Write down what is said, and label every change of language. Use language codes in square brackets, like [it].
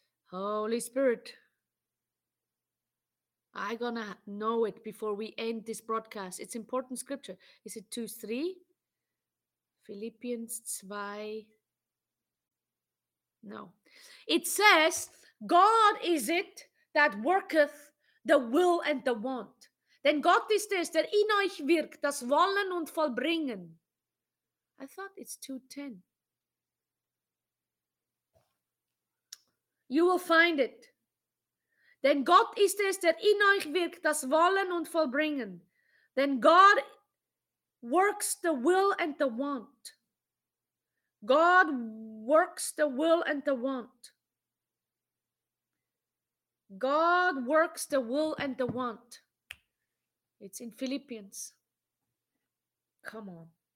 [en] Holy Spirit, I'm going to know it before we end this broadcast. It's important scripture. Is it 2:3? Philippians 2. No. It says, God is it that worketh the will and the want. [de] Denn Gott ist es, der in euch wirkt, das Wollen und Vollbringen. [en] I thought it's 2:10. You will find it. [de] Denn Gott ist es, der in euch wirkt, das Wollen und Vollbringen. [en] Then God works the will and the want. God works the will and the want. God works the will and the want. It's in Philippians. Come on.